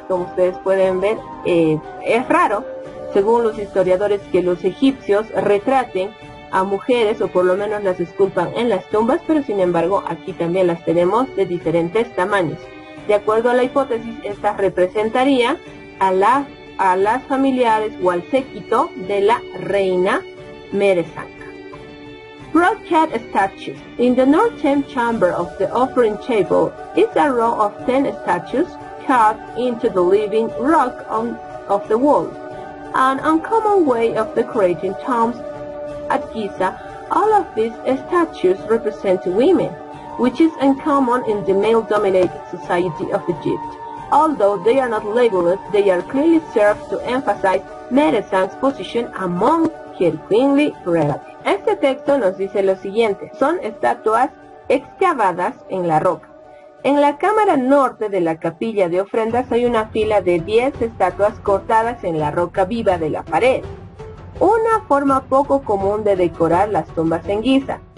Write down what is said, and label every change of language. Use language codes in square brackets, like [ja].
[es] Como ustedes pueden ver, es raro, según los historiadores, que los egipcios retraten a mujeres o por lo menos las esculpan en las tumbas, pero sin embargo aquí también las tenemos de diferentes tamaños. De acuerdo a la hipótesis, esta representaría a las familiares o al séquito de la reina Mere Sang. [en] Broadcat statues. In the northern chamber of the offering table is a row of 10 statues cut into the living rock of the wall. An uncommon way of decorating tombs at Giza, all of these statues represent women, which is uncommon in the male-dominated society of Egypt. Although they are not labeled, they are clearly served to emphasize Mere Sang's position among her queenly relatives. [es] Este texto nos dice lo siguiente: son estatuas excavadas en la roca. En la cámara norte de la capilla de ofrendas hay una fila de 10 estatuas cortadas en la roca viva de la pared, una forma poco común de decorar las tumbas en Giza.